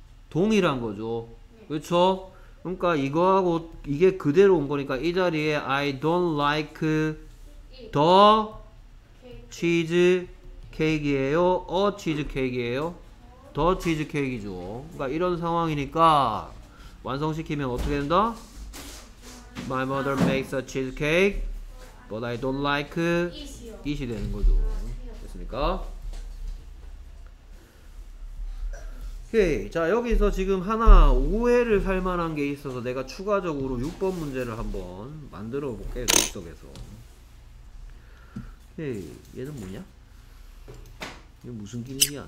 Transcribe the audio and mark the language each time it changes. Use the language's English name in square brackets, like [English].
[Korean] 동일한 거죠. 그렇죠? 그러니까 이거하고 이게 그대로 온 거니까 이 자리에 [English] I don't like the cheese cake [Korean] 이에요? a cheesecake이에요? 더 치즈케이크이죠. 그러니까 이런 상황이니까 완성시키면 어떻게 된다? [English] My mother makes a cheesecake, but I don't like it이 되는 거죠. [Korean] 됐습니까? 오케이. 자, 여기서 지금 하나 오해를 살 만한 게 있어서 내가 추가적으로 6번 문제를 한번 만들어 볼게요. 독서에서. 오케이. 얘는 뭐냐? 이게 무슨 기능이야?